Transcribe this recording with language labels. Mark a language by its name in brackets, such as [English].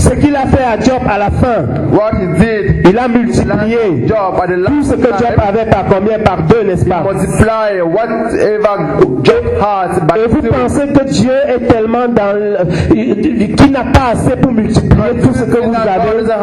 [French] Ce qu'il a fait à Job à la fin, [English] what he did, [French] il a multiplié [English] Job at the last [French] tout ce que Job avait par combien, par deux, n'est-ce pas? [English] Multiply whatever Job has by [French] et vous [English] two. [French] Pensez que Dieu est tellement dans qui n'a pas assez pour multiplier tout ce que vous avez,